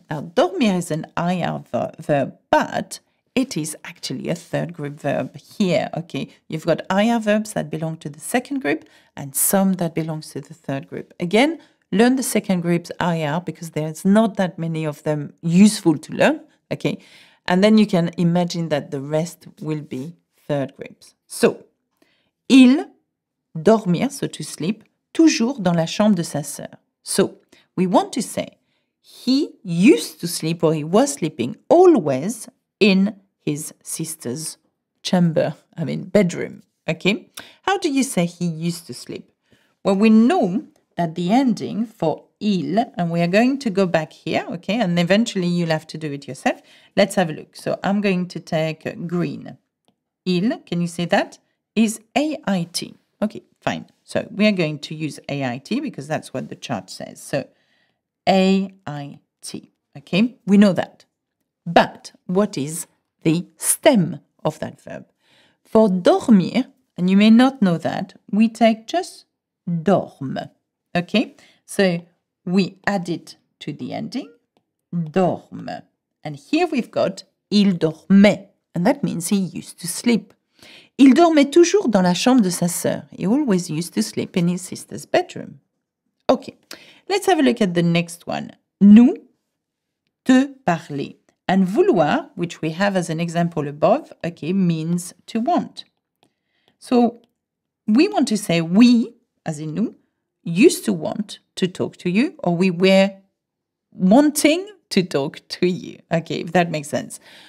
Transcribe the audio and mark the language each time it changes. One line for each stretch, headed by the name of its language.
English: Now, dormir is an IR verb, but it is actually a third group verb here, okay? You've got IR verbs that belong to the second group and some that belong to the third group. Again, learn the second group's IR because there's not that many of them useful to learn, okay? And then you can imagine that the rest will be third groups.
French: So, il dormir,
English: so to sleep,
French: toujours dans la chambre de sa sœur.
English: So, we want to say, he used to sleep or he was sleeping always in his sister's chamber, I mean bedroom, okay? How do you say he used to sleep? Well, we know that the ending for il, and we are going to go back here, okay? And eventually you'll have to do it yourself. Let's have a look. So I'm going to take green. Il, can you say that? Is A-I-T. Okay, fine. So we are going to use A-I-T because that's what the chart says. So A-I-T, okay? We know that. But what is the stem of that verb? For dormir, and you may not know that, we take just dorme, okay? So we add it to the ending, dorme. And here we've got
French: il dormait,
English: and that means he used to sleep.
French: Il dormait toujours dans la chambre de sa sœur.
English: He always used to sleep in his sister's bedroom. Okay, let's have a look at the next one.
French: Nous, te parler.
English: And vouloir, which we have as an example above, okay, means to want. So we want to say we, as in nous, used to want to talk to you, or we were wanting to talk to you, okay, if that makes sense.